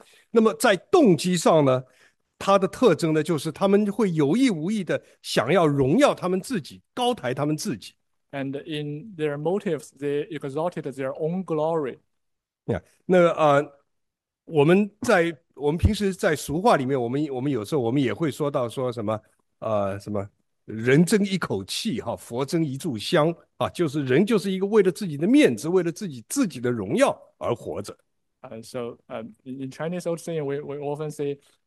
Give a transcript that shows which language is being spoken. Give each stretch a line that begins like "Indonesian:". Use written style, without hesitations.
Chinese: 那么在动机上呢，他的特征呢，就是他们会有意无意的想要荣耀他们自己，高抬他们自己。
English: And in their motives, they exalted their own glory.
Chinese: Yeah, 那我们平时在俗话里面，我们有时候我们也会说到说什么什么人争一口气佛争一炷香就是人就是一个为了自己的面子，为了自己的荣耀而活着。
English: In Chinese old saying, we often say,